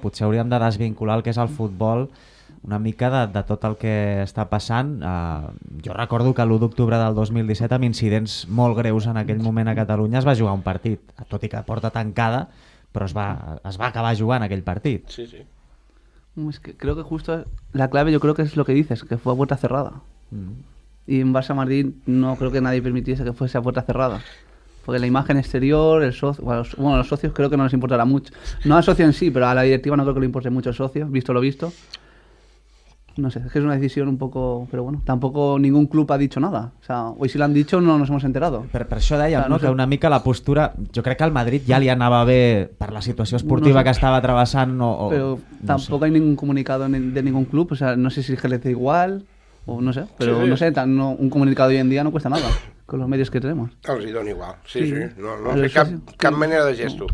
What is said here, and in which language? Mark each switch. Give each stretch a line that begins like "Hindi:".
Catalan: Potser hauríem de desvincular el que és el futbol una mica de tot el que està passant. Jo recordo que l'1 d'octubre del 2017, amb incidents molt greus en aquell moment a Catalunya, es va jugar un partit, tot i que porta tancada, però es va acabar jugant aquell partit. Sí, sí.
Spanish: Es que creo que justo la clave, yo creo que es lo que dices, que fue a puerta cerrada. Y en Barça-Madrid no creo que nadie permitiese que fuese a puerta cerrada. Porque la imagen exterior, los socios creo que no les importará mucho. No al socio en sí, pero a la directiva no creo que le importe mucho el socio, visto lo visto. No sé, es que es una decisión un poco... Pero bueno, tampoco ningún club ha dicho nada. O sea, hoy si lo han dicho no nos hemos enterado.
Catalan: Per això dèiem, no, que una mica la postura... Jo crec que al Madrid ja li anava bé per la situació esportiva que estava travessant.
Spanish: Tampoco hay ningún comunicado de ningún club. O sea, no sé si es que les da igual... O no sé,
Catalan: però sí, sí.
Spanish: No sé,
Catalan: un comunicat
Spanish: hoy en día no cuesta nada, con los medios que tenemos.
Catalan: Els hi dono igual, sí. No sé cap manera de gesto.